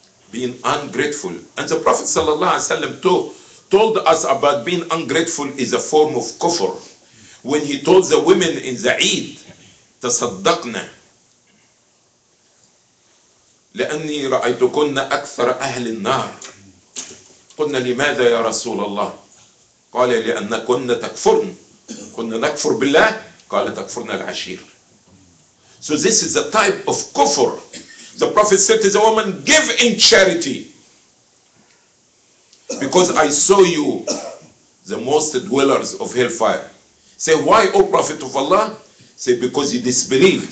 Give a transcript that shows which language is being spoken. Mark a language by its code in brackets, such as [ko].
[en] Being ungrateful. And the Prophet sallallahu alaihi wasallam told us about being ungrateful is a form of kufr. When he told the women in the Eid, [ar] تصدقنا, لأني رأيتكن أكثر أهل النار. قلنا لماذا يا رسول الله؟ قال لأنكن تكفرن. كنا نكفر بالله؟ قال تكفرن العشير. [en] So this is the type of kufr. The Prophet said to the woman, give in charity. Because I saw you, the most dwellers of hellfire. Say, why, O Prophet of Allah? Say, because you disbelieve.